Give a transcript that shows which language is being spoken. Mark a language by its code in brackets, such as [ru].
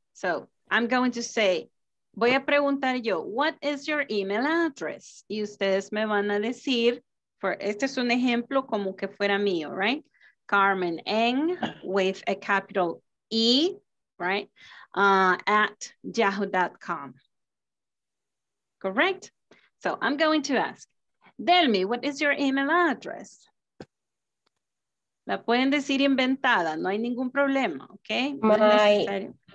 [en] So I'm going to say, [es] voy a preguntar yo, [en] what is your email address? [es] Y ustedes me van a decir, este es un ejemplo como que fuera mío, right? [en] Carmen Eng with a capital E, right? At yahoo.com. Correct? So I'm going to ask, tell me, what is your email address? [es] La pueden decir inventada, no hay ningún problema, okay?